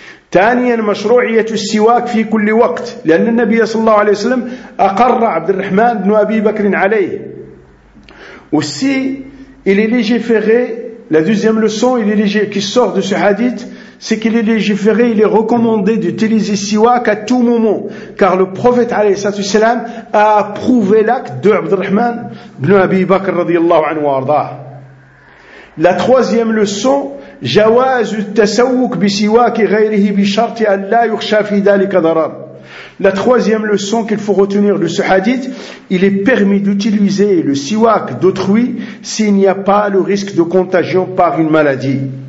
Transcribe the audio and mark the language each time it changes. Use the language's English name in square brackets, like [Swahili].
[Arabic] ثانيا مشروعية السواك في كل وقت لأن النبي صلى الله عليه وسلم أقر عبد الرحمن بن أبي بكر عليه. [French] aussi il est légiféré, la deuxième leçon il est légiféré qui sort de ce hadith, c'est qu'il est légiféré, il est recommandé d'utiliser siwak à tout moment, car le prophète عليه الصلاة والسلام a approuvé l'acte de عبد الرحمن بن أبي بكر رضي الله عنه وارضاه. La troisième leçon, [Arabic] جواز التسوك بسواك غيره بشرط أن لا يخشى في ذلك ضرر. [French] La troisième leçon qu'il faut retenir de ce hadith, il est permis d'utiliser le siwak d'autrui s'il n'y a pas le risque de contagion par une maladie.